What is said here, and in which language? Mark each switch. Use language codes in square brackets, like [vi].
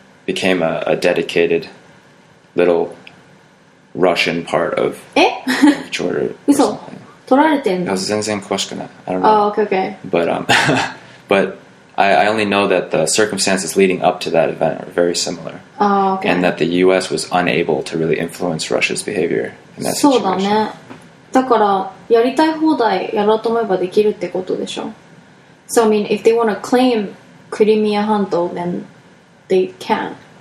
[en] Became a dedicated little... Russian part of Georgia. I don't know. Oh, okay. But I only know that the circumstances leading up to that event are very similar. Oh, okay. And that the U.S. was unable to really influence Russia's behavior in that situation. [ja] そうだね。だからやりたい放題やろうと思えばできるってことでしょ。 [en] So I mean, if they want to claim Crimea 半島, then they can.